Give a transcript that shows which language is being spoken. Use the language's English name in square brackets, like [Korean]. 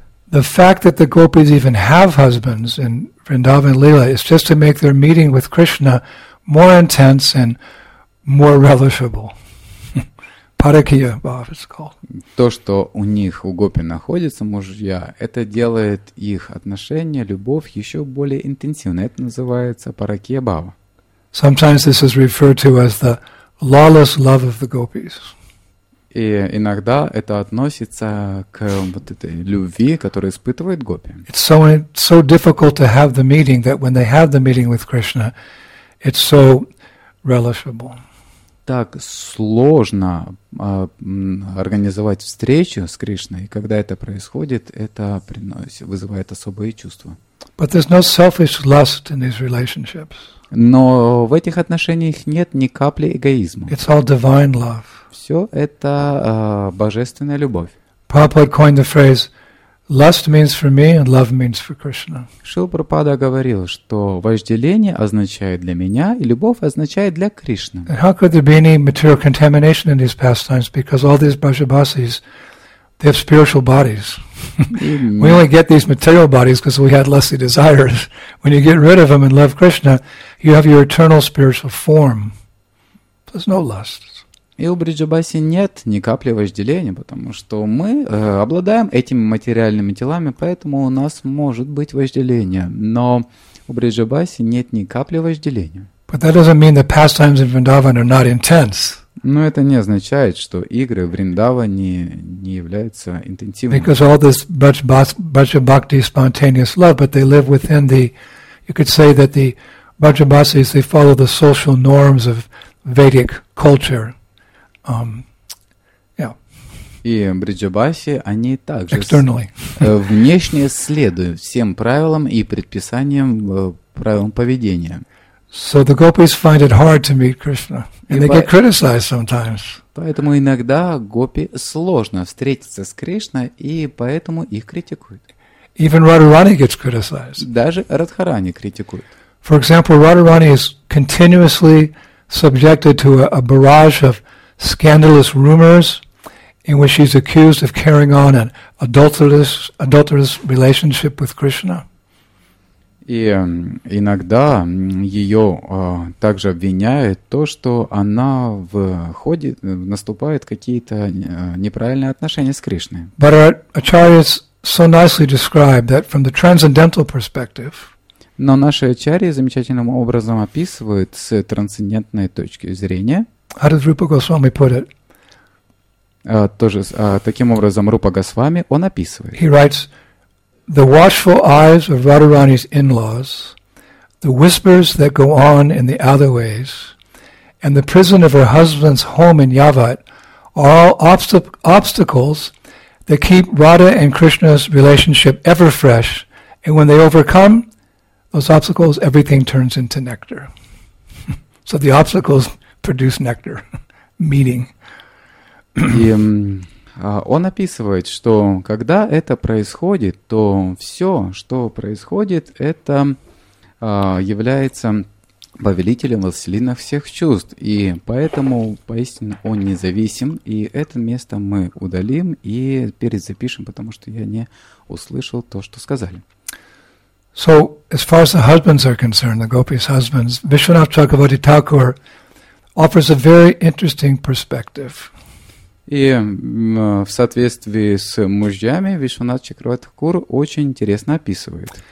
[English] The fact that the gopis even have husbands in Vrindavan Lila is just to make their meeting with Krishna more intense and more relishable. Parakya Bhav, it's called. [Russian] То, что у них, у гопи находится мужья, это делает их отношения, любовь еще более интенсивной. Это называется Parakya Bhav. [English] Sometimes this is referred to as the lawless love of the gopis. [Russian] И иногда это относится к вот этой любви, которую испытывает гопи. [English] It's so, so difficult to have the meeting that when they have the meeting with Krishna, it's so relishable. [Russian] Так сложно организовать встречу с Кришной, и когда это происходит, это приносит, вызывает особые чувства. [English] But there's no selfish lust in these relationships. [Russian] Но в этих отношениях нет ни капли эгоизма. [English] It's all divine love. [Russian] Все это божественная любовь. [English] Prabhupada coined the phrase, lust means for me and love means for Krishna. [Russian] Шрила Прабхупада говорил, что вожделение означает для меня и любовь означает для Кришны. [English] And how could there be any material contamination in these pastimes? Because all these brajabasis, they have spiritual bodies. We only get these material bodies because we had lusty desires. When you get rid of them and love Krishna, you have your eternal spiritual form. There's no lust. [Russian] И у Бриджабаси нет ни капли вожделения, потому что мы обладаем этими материальными телами, поэтому у нас может быть вожделение. Но у Бриджабаси нет ни капли вожделения. [English] But that doesn't mean the pastimes in Vrindavan are not intense. [Russian] Но это не означает, что игры в Риндаване не являются интенсивными. [English] Because all this Bhajabhakti spontaneous love, but they live within the, you could say that the Vajrabhasis, they follow the social norms of Vedic culture. [Russian] И бриджабаси, они также [English] externally. [Russian] Внешне следуют всем правилам и предписаниям, правилам поведения. [English] So the gopis find it hard to meet Krishna, and they get criticized sometimes. [Russian] Поэтому иногда гопи сложно встретиться с Кришной, и поэтому их критикуют. [English] Even Radharani gets criticized. [Russian] Даже Радхарани критикуют. [English] For example, Radharani is continuously subjected to a barrage of scandalous rumors, in which she's accused of carrying on an adulterous relationship with Krishna. [Russian] И иногда ее также обвиняют то, что она входит, наступает какие-то неправильные отношения с Кришной. [English] But our acharyas so nicely describe that from the transcendental perspective. [Russian] Но наши ачарьи замечательным образом описывают с трансцендентной точки зрения. [English] How does Rupa Goswami put it? [Russian] Тоже таким образом Рупа Госвами он описывает. [English] He writes, the watchful eyes of Radharani's in-laws, the whispers that go on in the alleyways, and the prison of her husband's home in Yavat are all obstacles that keep Radha and Krishna's relationship ever fresh, and when they overcome those obstacles, everything turns into nectar. So the obstacles produce nectar, meaning. [Russian] И он описывает, что когда это происходит, то все, что происходит, это является повелителем властелина всех чувств. И поэтому поистине он независим, и это место мы удалим и перезапишем, потому что я не услышал то, что сказали. [English] So, as far as the husbands are concerned, the gopis' husbands, Vishwanath Chakravarti Thakur offers a very interesting perspective. [Russian] И в соответствии с мужьями Вишванат Чакравати Такур очень интересно описывает.